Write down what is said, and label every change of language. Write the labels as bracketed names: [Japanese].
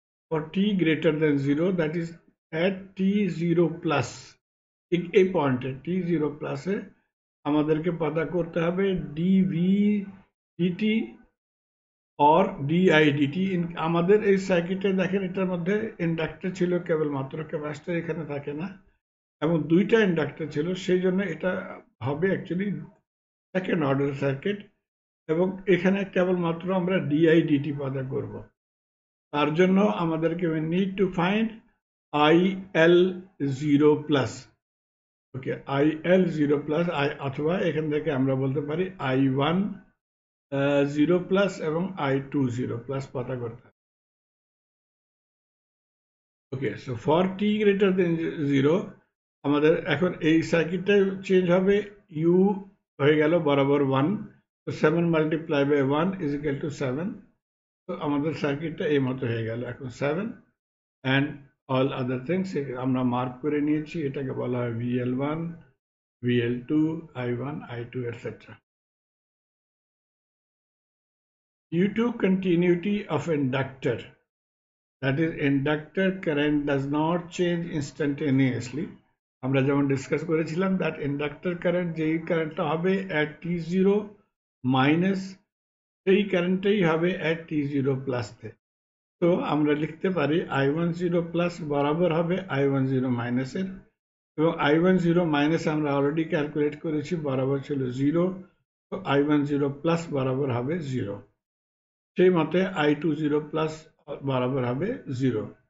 [English] for t greater than 0, that is at t 0 plus, a point at t 0 plus, [Bangla] আমাদেরকে পাতা করতে হবে [English] dv dt or di dt. [Bangla] আমাদের এই সার্কিটে দেখেন এটার মধ্যে ইন্ডাক্টর ছিল কেবল মাত্র, ক্যাপাসিটর এখানে থাকে না, এবং দুইটা ইন্ডাক্টর ছিল, সেই জন্য এটা হবে অ্যাকচুয়ালি সেকেন্ড অর্ডার সার্কিট, এবং এখানে কেবল মাত্র আমরা di dt পাতা করব। তার জন্য আমাদেরকে [English] we need to find [Bangla] il 0 plus, okay, il 0 plus I, অথবা এখান থেকে আমরা বলতে পারি i1 0 প্লাস এবং i2 0 প্লাস পাতা করতে হবে। ওকে, so for t greater than 0 আমাদের এখন এই সার্কিটটা চেঞ্জ হবে, u হয়ে গেল বরাবর 1, তো 7 multiply by 1 is equal to 7, তো আমাদের সার্কিটটা এই মতো হয়ে গেল এখন 7, [English] and all other things [Bangla] আমরা মার্ক করে নিয়েছি, এটাকে বলা হয় VL1, VL2, I1, I2, etc. [English] Due to continuity of inductor, that is inductor current does not change instantaneously. [Bangla] আমরা যেমন ডিসকাস করেছিলাম [English] that inductor current [Bangla] যেই কারেন্টটা হবে at T0 minus সেই কারেন্টটাই হবে at T0 plus তে। তো আমরা লিখতে পারি I10 প্লাস বরাবর হবে I10 মাইনাসের, এবং I10 মাইনাস আমরা অলরেডি ক্যালকুলেট করেছি বরাবর ছিল 0, তো I10 প্লাস বরাবর হবে 0, সেই মতে I20 প্লাস বরাবর হবে 0।